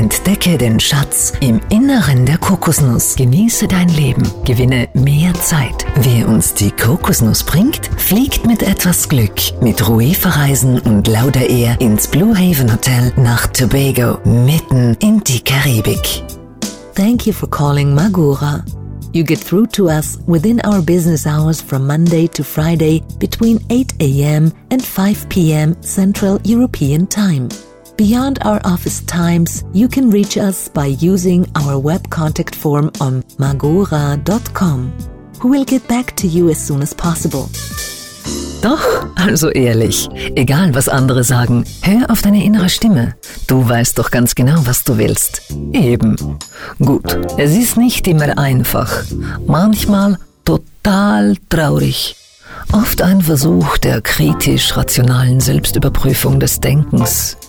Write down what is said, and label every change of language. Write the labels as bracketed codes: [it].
[de] entdecke den Schatz im Inneren der Kokosnuss. Genieße dein Leben. Gewinne mehr Zeit. Wer uns die Kokosnuss bringt, fliegt mit etwas Glück, mit Ruifa Reisen und Lauda Air ins Blue Haven Hotel nach Tobago, mitten in die Karibik. [en] Thank you for calling Magura. You get through to us within our business hours from Monday to Friday between 8 a.m. and 5 p.m. Central European Time. Beyond our office times, you can reach us by using our web contact form on magura.com. We will get back to you as soon as possible. [de] Doch, also ehrlich, egal was andere sagen, hör auf deine innere Stimme. Du weißt doch ganz genau, was du willst. Eben. Gut, es ist nicht immer einfach. Manchmal total traurig. Oft ein Versuch der kritisch-rationalen Selbstüberprüfung des Denkens.